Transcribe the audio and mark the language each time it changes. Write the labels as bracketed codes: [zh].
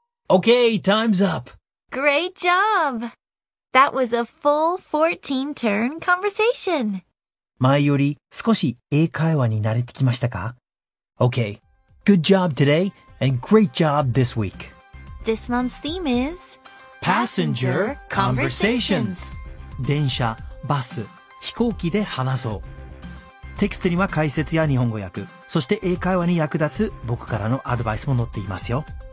[en] Okay, time's up. Great job. That was a full 14-turn conversation. [ja] 前より少し英会話に慣れてきましたか? [en] Okay, good job today and great job this week. This month's theme is Passenger Conversations. [ja] 電車、バス、飛行機で話そう。テキストには解説や日本語訳、そして英会話に役立つ僕からのアドバイスも載っていますよ。